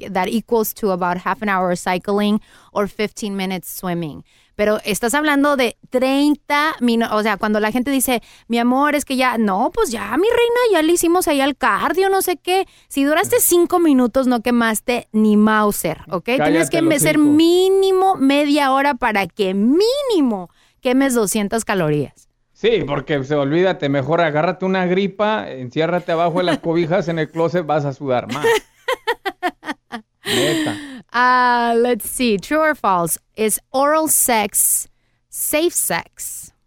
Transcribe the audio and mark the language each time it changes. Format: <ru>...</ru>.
<en>That equals to about half an hour of cycling or 15 minutes swimming.</en> <es>Pero estás hablando de 30 minutos. O sea, cuando la gente dice, mi amor, es que ya, no, pues ya, mi reina, ya le hicimos ahí al cardio, no sé qué. Si duraste 5 minutos, no quemaste ni Mauser, ¿ok? Cállate. Tienes que hacer mínimo media hora para que mínimo quemes 200 calorías. Sí, porque se olvídate, mejor agárrate una gripa, enciérrate abajo de las cobijas en el closet, vas a sudar más. Neta.</es> <en>Let's see, true or false, is oral sex safe sex?</en>